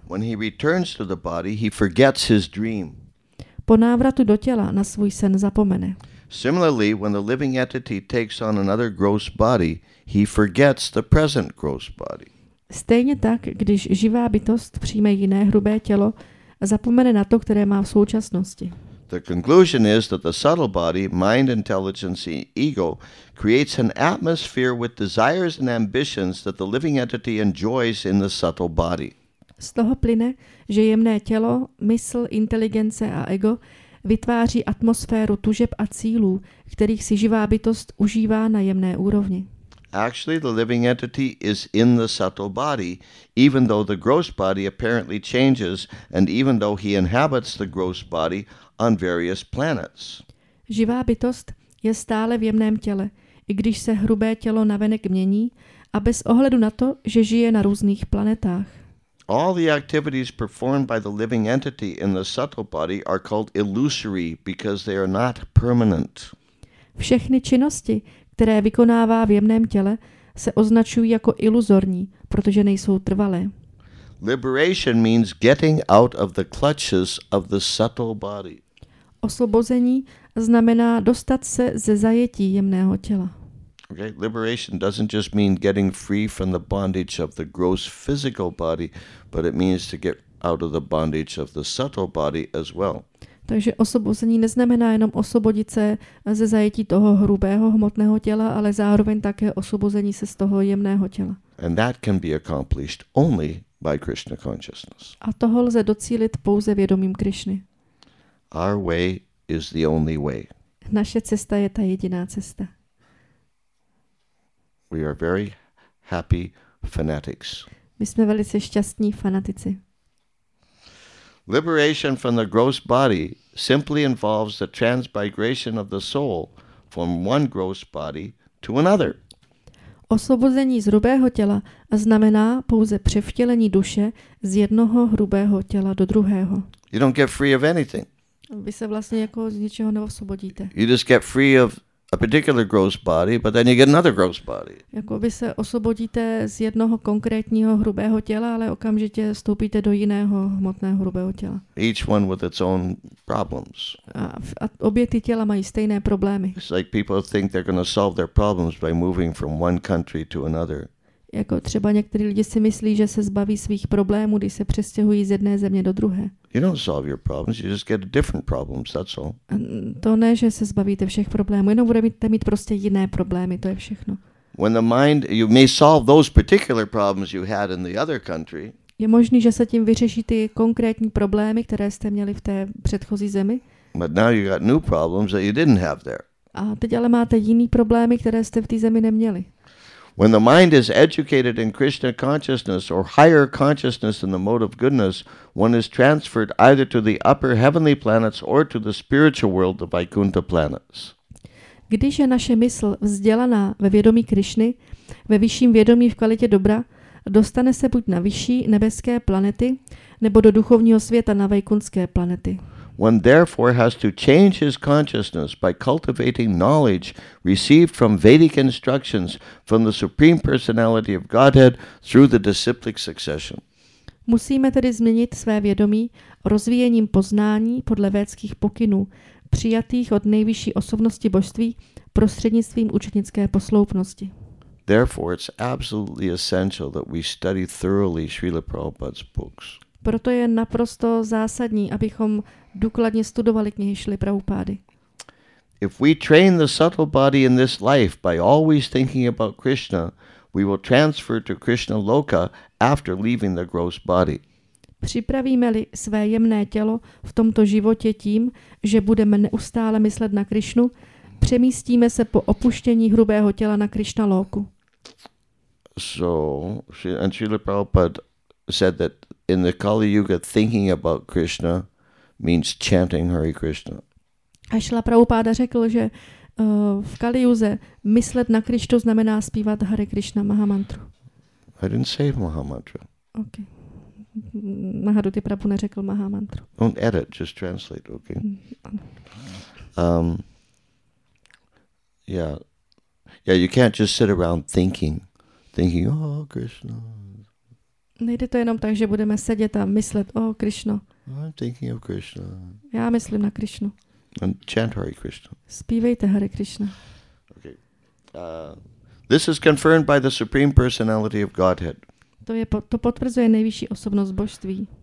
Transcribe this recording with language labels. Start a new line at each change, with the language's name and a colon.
English: When he returns to the body, he forgets his dream.
Czech: Po návratu do těla na svůj sen zapomene.
English: Similarly, when the living entity takes on another gross body, he forgets the present gross body.
Czech: Stejně tak, když živá bytost přijme jiné hrubé tělo, zapomene na to, které má v současnosti.
English: The conclusion is that the subtle body, mind, intelligence, ego, creates an atmosphere with desires and ambitions that the living entity enjoys in the subtle body.
Czech: Z toho plyne, že jemné tělo, mysl, inteligence a ego vytváří atmosféru tužeb a cílů, kterých si živá bytost užívá na jemné úrovni.
English: Actually, the living entity is in the subtle body, even though the gross body apparently changes and even though he inhabits the gross body on various planets.
Czech: Živá bytost je stále v jemném těle, i když se hrubé tělo navenek mění, a bez ohledu na to, že žije na různých planetách.
English: All the activities performed by the living entity in the subtle body are called illusory because they are not permanent.
Czech: Všechny činnosti, které vykonává v jemném těle, se označují jako iluzorní, protože nejsou trvalé.
English: Liberation means getting out of the clutches of the subtle body.
Czech: Osvobození znamená dostat se ze zajetí jemného těla.
English: Okay, liberation doesn't just mean getting free from the bondage of the gross physical body, but it means to get out of the bondage of the subtle body as well.
Czech: Takže osvobození neznamená jenom osvobodit se ze zajetí toho hrubého hmotného těla, ale zároveň také osvobození se z toho jemného těla.
English: And that can be accomplished only by Krishna consciousness.
Czech: A toho lze docílit pouze vědomím Krišny.
English: Our way is the only way.
Czech: Naše cesta je ta jediná cesta.
English: We are very happy fanatics.
Czech: My jsme velice šťastní fanatici.
English: Liberation from the gross body simply involves the transmigration of the soul from one gross body to another.
Czech: Osvobození z hrubého těla znamená pouze převtělení duše z jednoho hrubého těla do druhého.
English: You don't get free of anything.
Czech: Vy se vlastně jako z ničeho neosvobodíte.
English: You just get free of a particular gross body, but then you get another gross body.
Czech: Jako vy se osvobodíte z jednoho konkrétního hrubého těla, ale okamžitě vstoupíte do jiného hmotného hrubého těla.
English: Each one with its own problems.
Czech: A obě ty těla mají stejné problémy.
English: It's like people think they're going to solve their problems by moving from one country to another.
Czech: Jako třeba někteří lidi si myslí, že se zbaví svých problémů, když se přestěhují z jedné země do druhé.
English: You don't solve your problems, you just get different problems, that's all.
Czech: To ne, že se zbavíte všech problémů, jenom budete mít prostě jiné problémy, to je všechno.
English: When the mind, you may solve those particular problems you had in the other country.
Czech: Je možný, že se tím vyřeší ty konkrétní problémy, které jste měli v té předchozí zemi.
English: But now you got new problems that you didn't have there.
Czech: A teď ale máte jiný problémy, které jste v té zemi neměli.
English: When the mind is educated in Krishna consciousness or higher consciousness in the mode of goodness, one is transferred either to the upper heavenly planets or to the spiritual world, the Vaikuntha planets.
Czech: Když je naše mysl vzdělaná ve vědomí Krišny, ve vyšším vědomí v kvalitě dobra, dostane se buď na vyšší nebeské planety, nebo do duchovního světa na vaikunské planety.
English: One therefore has to change his consciousness by cultivating knowledge received from Vedic instructions from the Supreme Personality of Godhead through the disciplic succession.
Czech: Musíme tedy změnit své vědomí rozvíjením poznání podle védských pokynů, přijatých od nejvyšší osobnosti božství prostřednictvím učednické posloupnosti.
English: Therefore, it's absolutely essential that we study thoroughly Srila Prabhupada's books.
Czech: Proto je naprosto zásadní, abychom důkladně studovali knihy Šrily Prabhupády.
English: If we train the subtle body in this life by always thinking about Krishna, we will transfer to Krishna Loka after leaving the gross body.
Czech: Připravíme-li své jemné tělo v tomto životě tím, že budeme neustále myslet na Krishnu, přemístíme se po opuštění hrubého těla na Krishna Loku.
English: So, and Srila Prabhupada said that in the Kali Yuga thinking about Krishna means chanting Hare Krishna.
Czech: A Srila Prabhupada řekl, že v Kali Yuze myslet na Krishnu znamená zpívat Hare Krishna Mahamantru.
English: I didn't say Mahamantra.
Czech: Okay. Mahaduti Prabhu neřekl Mahamantru.
English: Don't edit, just translate, okay? Yeah, you can't just sit around thinking, oh, Krishna.
Czech: Nejde to jenom tak, že budeme sedět a myslet, oh, Krishna.
English: I'm thinking of Krishna.
Czech: Já myslím na Krishnu.
English: And chant Hare Krishna.
Czech: Zpívejte Hare Krishna.
English: Okay. This is confirmed by the Supreme Personality of Godhead.
Czech: To potvrzuje nejvyšší osobnost božství.